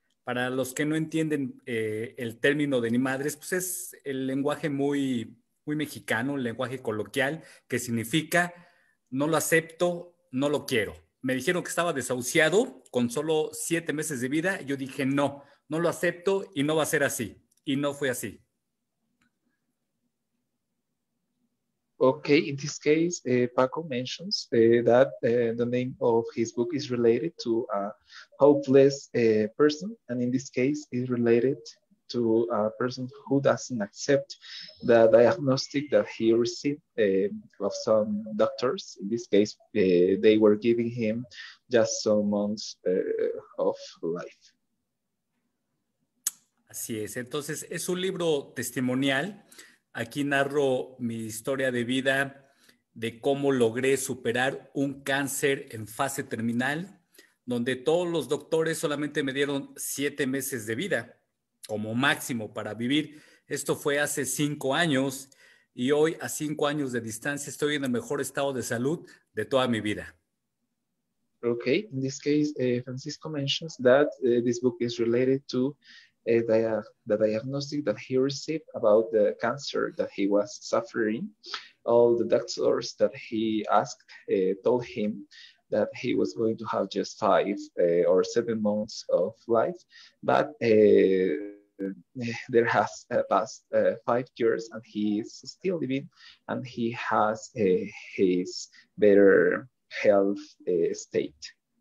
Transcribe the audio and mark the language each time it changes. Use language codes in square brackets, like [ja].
[es] Para los que no entienden el término de ni madres, pues es el lenguaje muy, muy mexicano, el lenguaje coloquial, que significa no lo acepto, no lo quiero. Me dijeron que estaba desahuciado con solo 7 meses de vida. Yo dije no, no lo acepto y no va a ser así. Y no fue así. [en] Okay, in this case, Paco mentions that the name of his book is related to a hopeless person. And in this case, it's related to a person who doesn't accept the diagnostic that he received of some doctors. In this case, they were giving him just some months of life. [es] Así es. Entonces, es un libro testimonial. Aquí narro mi historia de vida, de cómo logré superar un cáncer en fase terminal, donde todos los doctores solamente me dieron 7 meses de vida como máximo para vivir. Esto fue hace 5 años y hoy, a 5 años de distancia, estoy en el mejor estado de salud de toda mi vida. [en] Okay, in this case, Francisco mentions that this book is related to the diagnosis that he received about the cancer that he was suffering. All the doctors that he asked told him that he was going to have just 5 or 7 months of life, but there has passed 5 years and he is still living and he has his better health state.